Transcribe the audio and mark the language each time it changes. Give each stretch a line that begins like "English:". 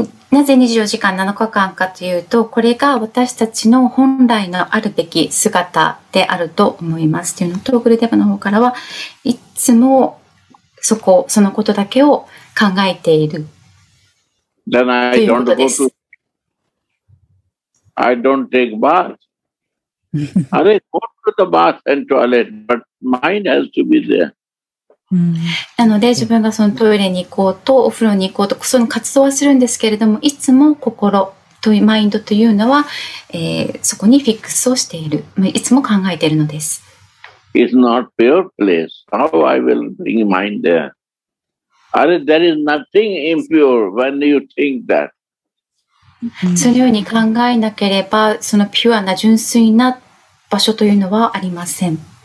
Japanese: なぜ24時間7日間かというと、これが私たちの本来のあるべき姿であると思いますというのと、グルデバの方からはいつもそこ、そのことだけを考えているということです。
English: I don't take bath. あれ、go to the bath and toilet, butMind has to be there.
Japanese: なので自分がそのトイレに行こうとお風呂に行こうとその活動はするんですけれども、いつも心というマインドというのは、そこにフィックスをしている、いつも考えているのです。
English: It's not pure place. How I will bring mind there? There is nothing impure when you think that.
Japanese: そのように考えなければそのピュアな純粋な場所というのはありません。